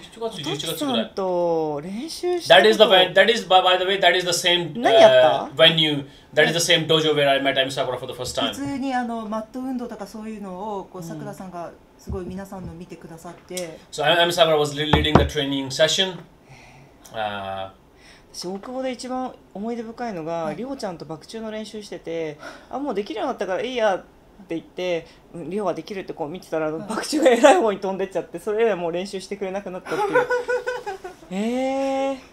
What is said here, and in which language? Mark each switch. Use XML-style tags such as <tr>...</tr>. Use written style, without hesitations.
<en>That is the way, that is by the way, that is the same venue, that is the same dojo where I met Ami Sakura for the first time.</en> <ja>普通にあのマット運動とかそういうのをこう桜さんがすごい皆さんの見てくださって。</ja> <en>So Ami Sakura was leading the training session.</en> <ja>私大久保で一番思い出深いのが、リホちゃんとバク宙の練習してて、あもうできるようになったからいいやって言って、リオができるってこう見てたら、バク宙がえらい方に飛んでっちゃって、それ以来もう練習してくれなくなったっていう。</ja>